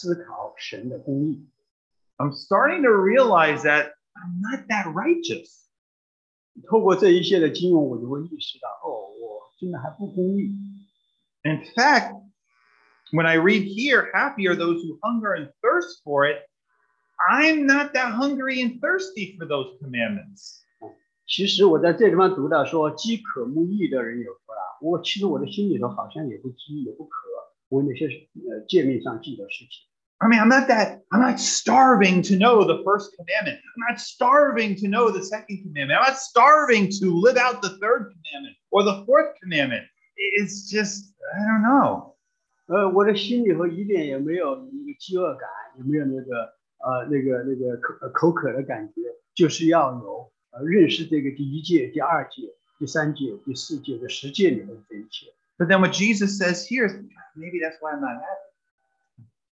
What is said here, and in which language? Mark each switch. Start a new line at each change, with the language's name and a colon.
Chinese: 所以我前面也提到过，十诫乃是要让我们来反思、来思考神的公义。
English: I'm starting to realize that I'm not that righteous.
Chinese: 透过这一些的经文，我就会意识到，哦，我真的还不公义。
English: In fact, when I read here, happy are those who hunger and thirst for it, I'm not that hungry and thirsty for those commandments.
Chinese: 其实我在这地方读到说，饥渴慕义的人有福了。我其实我的心里头好像也不饥也不渴，我那些诫命上记的事情。
English: I mean, I'm not starving to know the first commandment. I'm not starving to know the second commandment. I'm not starving to live out the third commandment or the fourth commandment. It's just, I don't know.
Chinese: 我的心里头一点也没有饥饿感，也没有那个口渴的感觉，就是要有认识这个第一诫、第二诫、第三诫、第四诫的十诫里面的一切。
English: But then what Jesus says here, maybe that's why I'm not happy.